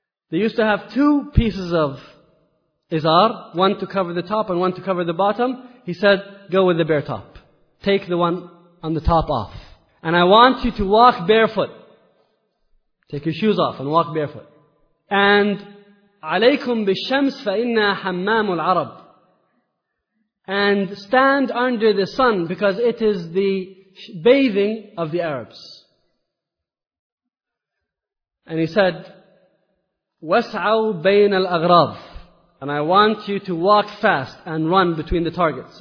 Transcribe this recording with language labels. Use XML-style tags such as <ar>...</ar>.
<en>They used to have two pieces of izar, one to cover the top and one to cover the bottom. He said, go with the bare top. Take the one on the top off. And I want you to walk barefoot. Take your shoes off and walk barefoot. And</en> <ar>عَلَيْكُمْ بِالشَّمْسِ فَإِنَّا حَمَّامُ الْعَرَبِ.</ar> <en>And stand under the sun because it is the bathing of the Arabs. And he said,</en> <ar>وَسْعَوْ بَيْنَ الْأَغْرَاضِ.</ar> <en>And I want you to walk fast and run between the targets.</en>